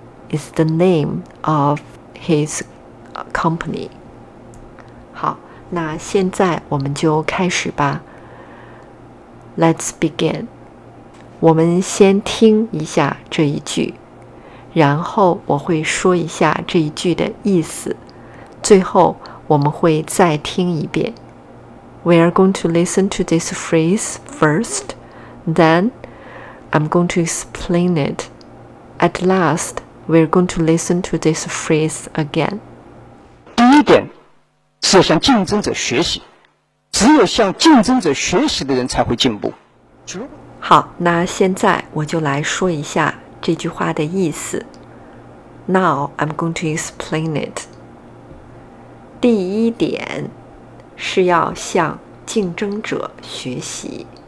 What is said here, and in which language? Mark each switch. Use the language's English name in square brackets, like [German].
[English] It's the name of his company。 [Chinese] 好，那现在我们就开始吧。 [English] Let's begin。 [Chinese] 我们先听一下这一句，然后我会说一下这一句的意思，最后我们会再听一遍。 [English] We are going to listen to this phrase first, then I'm going to explain it. At last, we are going to listen to this phrase again. [Chinese] 第一点，是向竞争者学习，只有向竞争者学习的人才会进步。好，那现在我就来说一下这句话的意思。 [English] Now I'm going to explain it. [Chinese] 第一点是要向竞争者学习。